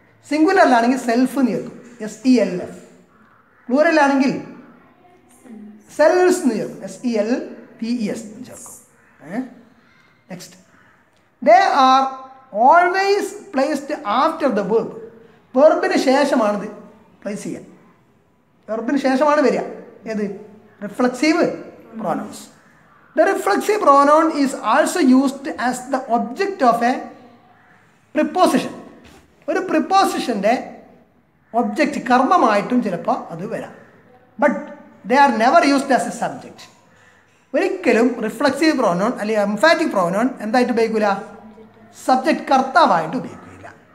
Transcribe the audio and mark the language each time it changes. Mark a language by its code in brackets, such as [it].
[ml] സിംഗുലറിലാണെങ്കിൽ self നീർക്കും, S E L F. പ്ലൂരലാണെങ്കിൽ selves നീർക്കും, S E L P E S എന്ന് ചേർക്കും. [en] Next, they are always placed after the verb. [ml] വെർബിന് ശേഷമാണിത് place ചെയ്യുക, വെർബിന് ശേഷമാണ് വരിക. ഏത്? Reflexive pronounce. [en] The reflexive pronoun is also used as the object of a preposition. [ml] ഒരു പ്രിപ്പോസിഷൻ്റെ object കർമ്മമായിട്ടും ചിലപ്പോൾ അത് വരാം. [en] But they are never used as a subject. [ml] ഒരിക്കലും reflexive pronoun അല്ലെങ്കിൽ എംഫാറ്റിക് പ്രോനോൺ എന്തായിട്ട് ഉപയോഗിക്കില്ല? സബ്ജക്റ്റ് കർത്താവായിട്ട് ഉപയോഗിക്കില്ല.